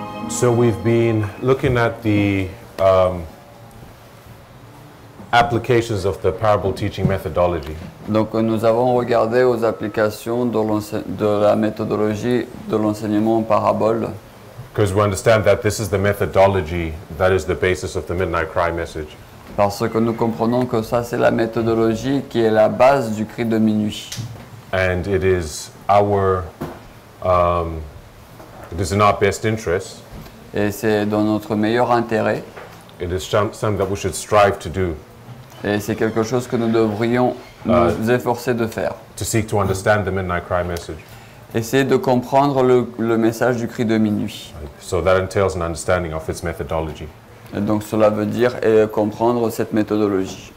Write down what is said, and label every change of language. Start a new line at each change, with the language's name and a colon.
English: So we've been looking at the applications of the parable teaching methodology.
French: Donc nous avons regardé aux applications de la méthodologie de l'enseignement en parabole.
English: Because we understand that this is the methodology that is the basis of the midnight cry message.
French: Parce que nous comprenons que ça c'est la méthodologie qui est la base du cri de minuit.
English: And it is our it is in our best interest.
French: Et c'est dans notre meilleur intérêt.
English: It is something that we should strive to do.
French: Et c'est quelque chose que nous devrions nous efforcer de faire.
English: To seek to understand the midnight cry message.
French: Essayer de comprendre le message du cri de minuit.
English: So that entails an understanding of its methodology.
French: Et donc cela veut dire comprendre cette méthodologie.